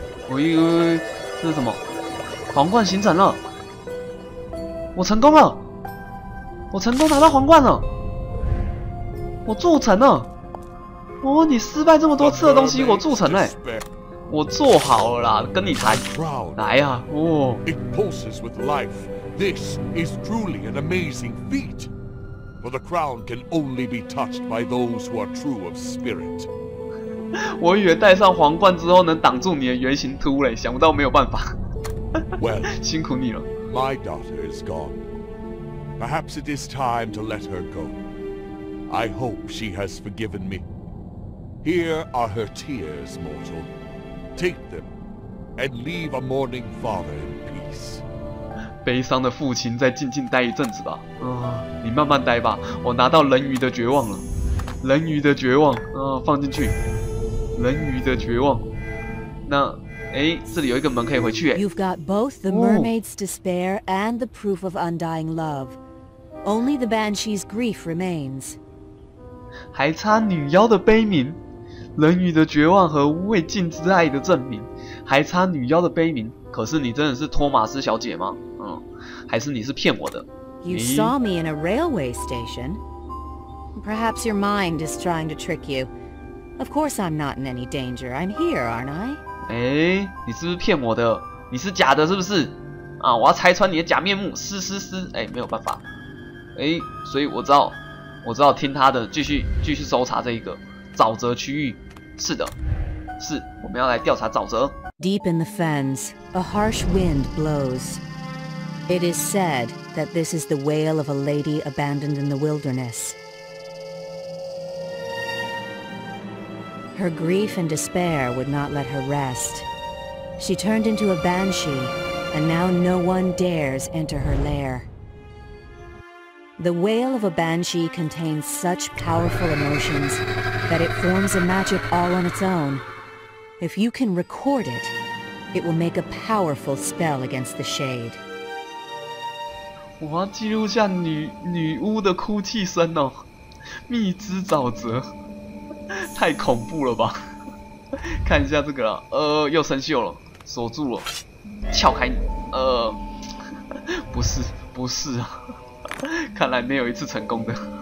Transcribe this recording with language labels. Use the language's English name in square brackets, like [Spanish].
[Chinese] 喂、哎，这是什么？皇冠形成了，我成功了，我成功拿到皇冠了，我铸成了。哦，你失败这么多次的东西，我铸成了、欸，我做好了啦，跟你谈。 [English] 来呀、啊，哦。It pulses with life. This is truly an amazing feat. For the crown can only be touched by those who are true of spirit. [Chinese] 我以为戴上皇冠之后能挡住你的原型秃嘞，想不到没有办法。 [English] Well, [Chinese] 辛苦你了。 [English] My daughter is gone. Perhaps it is time to let her go. I hope she has forgiven me. Here are her tears, mortal. Take them and leave a mourning father in peace. [Chinese] 悲伤的父亲，再静静待一阵子吧。你慢慢待吧。我拿到人鱼的绝望了，人鱼的绝望。放进去。人鱼的绝望。那，哎，这里有一个门可以回去。 [English] You've got both the mermaid's despair and the proof of undying love. Only the banshee's grief remains. [Chinese] 还差女妖的悲鸣，人鱼的绝望和未尽之爱的证明，还差女妖的悲鸣。可是你真的是托马斯小姐吗？嗯，还是你是骗我的？ [English] You saw me in a railway station. Perhaps your mind is trying to trick you. Of course, I'm not in any danger. I'm here, aren't I? [Chinese] 哎，你是不是骗我的？你是假的，是不是？啊，我要拆穿你的假面目！嘶嘶嘶！哎，没有办法。哎，所以我知道听他的，继续搜查这一个沼泽区域。是的，是我们要来调查沼泽。 [English] Deep in the fens, a harsh wind blows. It is said that this is the wail of a lady abandoned in the wilderness. Her grief and despair would not let her rest. She turned into a banshee, and now no one dares enter her lair. The wail of a banshee contains such powerful emotions that it forms a magic all on its own. If you can record it, it will make a powerful spell against the shade. [Chinese] 我要记录下女巫的哭泣声哦，蜜汁沼泽，太恐怖了吧！看一下这个啦，又生锈了，锁住了，撬开你，不是啊，看来没有一次成功的。